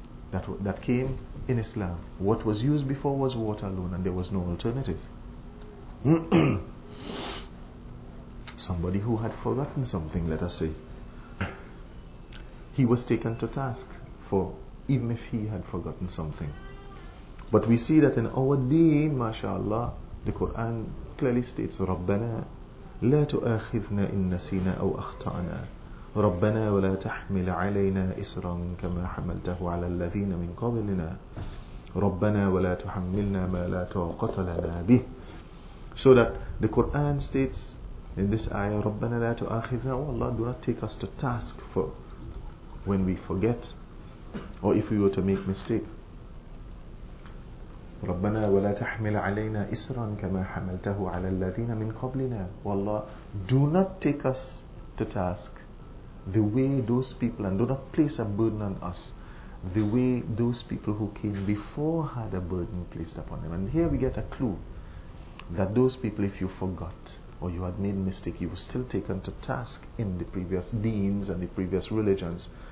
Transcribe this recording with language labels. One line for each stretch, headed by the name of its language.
English: That came in Islam. What was used before was water alone, and there was no alternative. Somebody who had forgotten something, let us say, he was taken to task for, even if he had forgotten something. But we see that in our deen, mashallah, the Quran clearly states,
Arabic: "Rabbana لا تؤاخذنا إن نسينا أو أخطأنا ربنا ولا تحمل علينا إسرا كما حملته على الذين من قبلنا ربنا ولا تحملنا ما لا طاقة لنا به."
English: So that the Quran states in this ayah,
Arabic: ربنا لا تؤاخذنا,
English: oh Allah, do not take us to task for when we forget, or if we were to make mistake.
Arabic: ربنا ولا تحمل علينا إسرا كما حملته على الذين من قبلنا. والله,
English: do not take us to task the way those people, and do not place a burden on us the way those people who came before had a burden placed upon them. And here we get a clue that those people, if you forgot or you had made mistake, you were still taken to task in the previous deens and the previous religions,